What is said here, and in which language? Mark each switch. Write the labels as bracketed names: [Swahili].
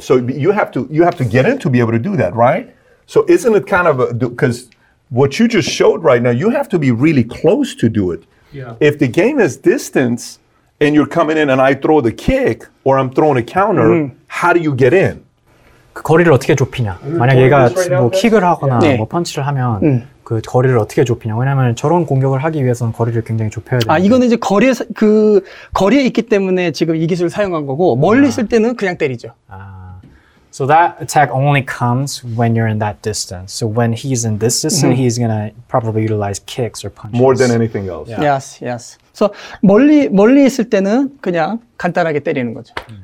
[English] So you have to get in to be able to do that, right? So isn't it kind of a... Because what you just showed right now, you have to be really close to do it. Yeah. If the game is distance and you're coming in and I throw the kick or I'm throwing a counter, how do you get in? [Korean] 그 거리를 어떻게 좁히냐? 만약 얘가 뭐 킥을 하거나 yeah. 뭐 펀치를 하면... 그 거리를 어떻게 좁히냐? 왜냐하면 저런 공격을 하기 위해서는 거리를 굉장히 좁혀야 되는데. 아, 이거는 이제 거리에 있기 때문에 지금 이 기술을 사용한 거고 멀리 있을 때는 그냥 때리죠. 아, [English] So that attack only comes when you're in that distance. So when he's in this distance, mm-hmm. he's going to probably utilize kicks or punches. More than anything else. Yeah. Yes, yes. [Korean] So 멀리 있을 때는 그냥 간단하게 때리는 거죠.